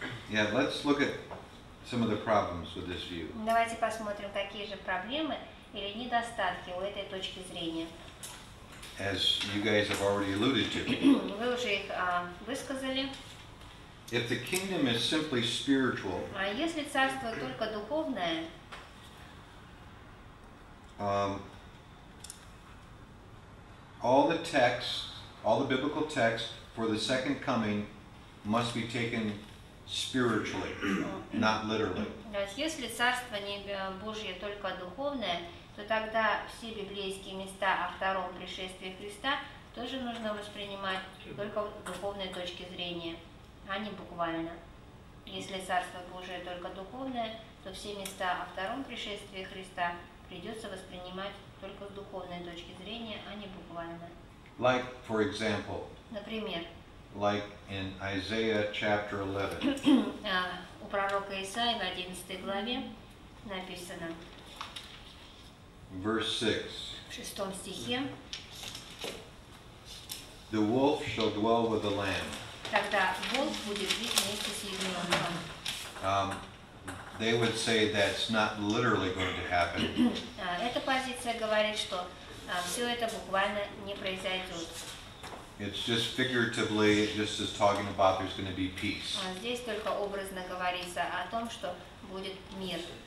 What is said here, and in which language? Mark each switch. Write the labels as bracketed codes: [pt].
[en] Yeah, let's look at some of the problems with this view. [ru] Давайте посмотрим, какие же проблемы или недостатки у этой точки зрения. [en] As you guys have already alluded to. [ru] Вы уже их высказали. [en] If the kingdom is simply spiritual. [ru] А если царство только духовное? [en] All the texts, all the biblical texts for the second coming must be taken spiritually, not literally. [ru] Если царство Божье только духовное, то тогда все библейские места о втором пришествии Христа тоже нужно воспринимать только с духовной точки зрения, а не буквально. Если царство Божие только духовное, то все места о втором пришествии Христа придется воспринимать только с духовной точки зрения, а не буквально. [en] Like, for example. [ru] Например. [en] Like in Isaiah chapter 11. [ru] У пророка Исаии в 11 главе написано. [en] verse 6. [ru] В шестом стихе. [en] The wolf shall dwell with the lamb. [ru] Тогда волк будет жить вместе с ягненком. [en] They would say that's not literally going to happen. [ru] Эта позиция говорит, что все это буквально не произойдет. [en] It's just figuratively, just as talking about there's going to be peace. [ru] Здесь только образно говорится о том, что будет мир.